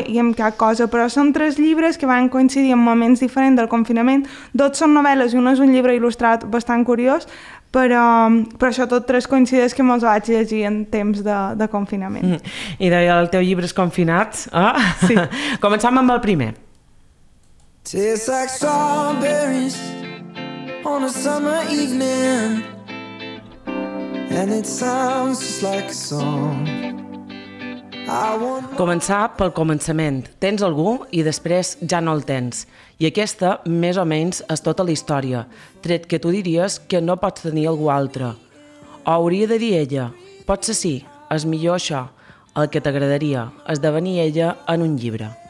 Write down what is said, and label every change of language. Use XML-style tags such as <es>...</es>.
<ca>I en cap cosa, però són tres llibres que van coincidir en moments diferents del confinament, dos són novel·les i un és un llibre il·lustrat bastant curiós, però això tot tres coincideix que me'ls vaig llegir en temps de confinament. I deia el teu llibre és confinat, eh? Sí. Començam amb el primer.</ca> <en>Tastes like strawberries on a summer evening, and it sounds just like a song.</en> <ca>Començar pel començament. Tens algú i després ja no el tens. I aquesta, més o menys, és tota la història, tret que tu diries que no pots tenir algú altre. O hauria de dir ella, potser sí, és millor això, el que t'agradaria, esdevenir ella en un llibre.</ca>